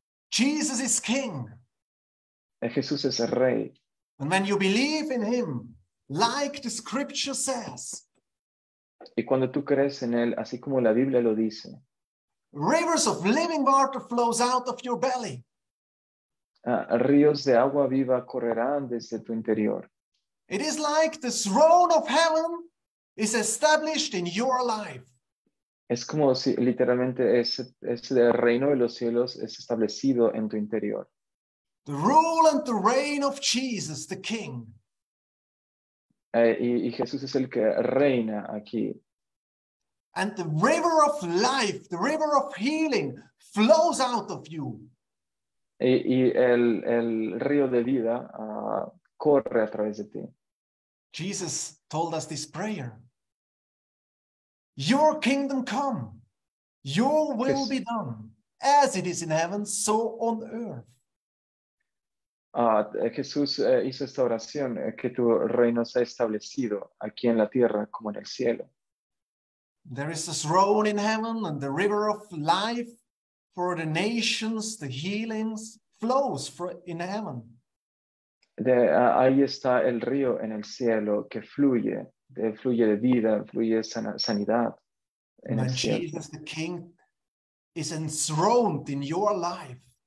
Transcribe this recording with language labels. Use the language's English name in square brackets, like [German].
[English] Jesus is King. [Spanish] Jesús es el Rey. [English] And when you believe in him, like the scripture says, [Spanish] y cuando tú crees en él, así como la Biblia lo dice, [English] Rivers of living water flows out of your belly. [Spanish] Ríos de agua viva correrán desde tu interior. [English] It is like the throne of heaven is established in your life. [Spanish] Es como si literalmente ese reino de los cielos es establecido en tu interior. [English] The rule and the reign of Jesus, the King. [Spanish] Y Jesús es el que reina aquí. [English] And the river of life, the river of healing, flows out of you. [Spanish] Y el río de vida corre a través de ti. [English] Jesus told us this prayer. Your kingdom come, your will be done, as it is in heaven, so on earth. [Spanish] Jesús hizo esta oración, que tu reino sea establecido aquí en la tierra como en el cielo. [English] There is a throne in heaven, and the river of life for the nations, the healings, flows in heaven. [Spanish] Ahí está el río en el cielo que fluye. Fluye de vida, fluye sanidad. [English] And Jesus the King is enthroned in your life.